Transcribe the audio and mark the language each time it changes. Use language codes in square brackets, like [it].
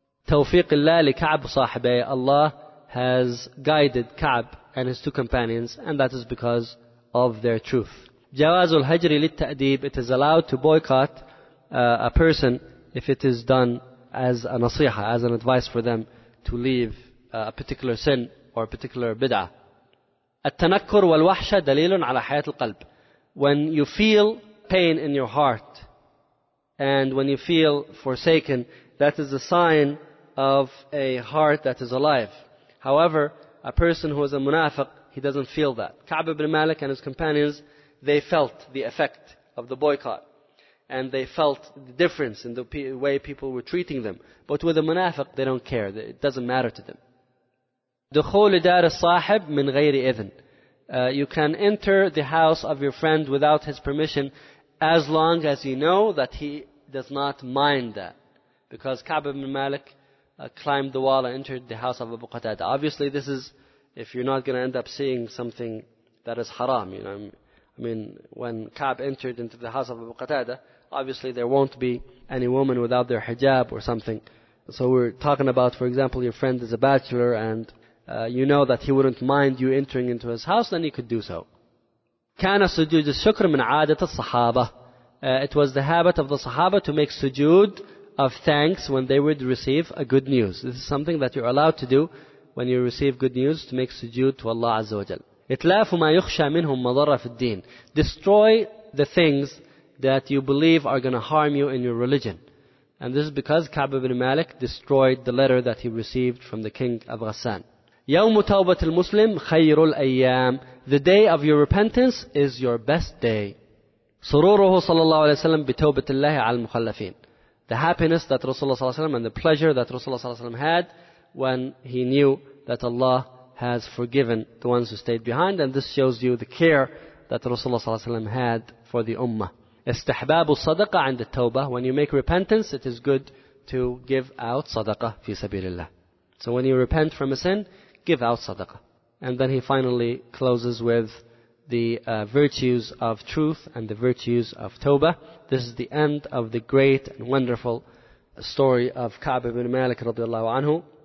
[ar] Tawfiq Allah li Ka'b sahibay, [en] Allah has guided Ka'b and his two companions and that is because of their truth. [ar] جواز الهجر للتأديب, [en] it is allowed to boycott a person if it is done as a nasiha, as an advice for them to leave a particular sin or a particular bid'ah. [ar] التنكر والوحشة دليل على حياة القلب. [en] When you feel pain in your heart and when you feel forsaken, that is a sign of a heart that is alive. However, a person who is a munafiq, he doesn't feel that. Ka'b ibn Malik and his companions, they felt the effect of the boycott. And they felt the difference in the way people were treating them. But with a munafiq, they don't care. It doesn't matter to them. [ar] دخول دار الصاحب من غير إذن. [en] You can enter the house of your friend without his permission as long as you know that he does not mind that. Because Ka'b ibn Malik climbed the wall and entered the house of Abu Qatada. Obviously, this is if you're not going to end up seeing something that is haram, you know. I mean, when Ka'b entered into the house of Abu Qatada, obviously there won't be any woman without their hijab or something. So we're talking about, for example, your friend is a bachelor and you know that he wouldn't mind you entering into his house, then you could do so. [ar] كان سجود الشكر من عادة الصحابة. [en] It was the habit of the Sahaba to make sujood of thanks when they would receive a good news. This is something that you're allowed to do when you receive good news to make sujood to Allah Azza wa Jal. [ar] إِتْلَافُ مَا يُخْشَى مِنْهُمْ مَضَرَّ فِي الدِّينِ. [en] Destroy the things that you believe are going to harm you in your religion. And this is because Ka'b ibn Malik destroyed the letter that he received from the king of Ghassan. [ar] يَوْمُ تَوْبَةِ الْمُسْلِمِ خَيْرُ الْأَيَّامِ. [en] The day of your repentance is your best day. [ar] سُرُورُهُ صَلَى اللَّهُ عَلَيْهِ وَسَلَّمَ بِتَوْبَةِ اللَّهِ عَلَى الْمُخَلَّفِينَ. [en] The happiness that Rasulullah ﷺ and the pleasure that Rasulullah ﷺ had when he knew that Allah has forgiven the ones who stayed behind, and this shows you the care that Rasulullah ﷺ had for the ummah. [ar] استحبابُ الصدقة عند التوبة. [en] When you make repentance, it is good to give out [ar] صدقة في سبيل الله. [en] So when you repent from a sin, give out صدقة. And then he finally closes with the virtues of truth and the virtues of tawbah. This is the end of the great and wonderful story of Ka'b ibn Malik radiallahu anhu.